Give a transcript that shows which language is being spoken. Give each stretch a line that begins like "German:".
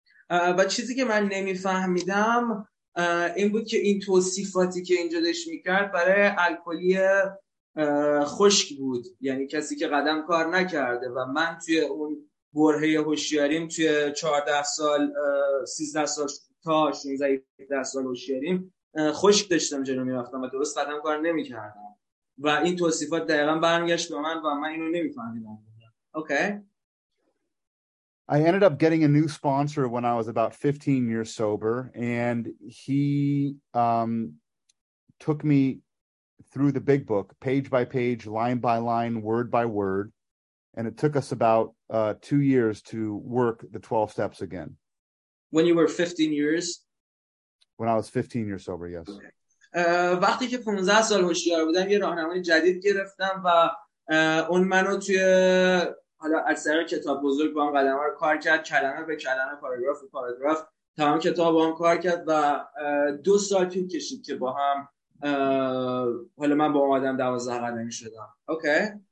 Persian: و چیزی که من نمیفهمیدم این بود که این توصیفاتی که اینجا داشت میکرد برای الکلی خشک بود یعنی کسی که قدم کار نکرده و من توی اون برهه هوشیاریم توی 14 سال 13 سال تا 16 سال هوشیاریم خشک داشتم جلو میرفتم و درست قدم کار نمیکردم و این توصیفات دقیقا برمیگشت به من و من اینو نمیفهمیدم اوکی
English: I ended up getting a new sponsor when I was about 15 years sober, and he took me through the big book, page by page, line by line, word by word, and it took us about 2 years to work the 12 steps again. When you were 15 years? When I was 15 years sober, yes.
Persian: وقتی که 15 سال هوشیار بودم یه راهنمای جدید گرفتم و اون منو توی حالا از سر کتاب بزرگ با هم قدم ها رو کار کرد کلمه به کلمه پاراگراف به پاراگراف تمام کتاب با هم کار کرد و 2 سال طول کشید که با هم حالا من با اون آدم 12 قدمی شدم اوکی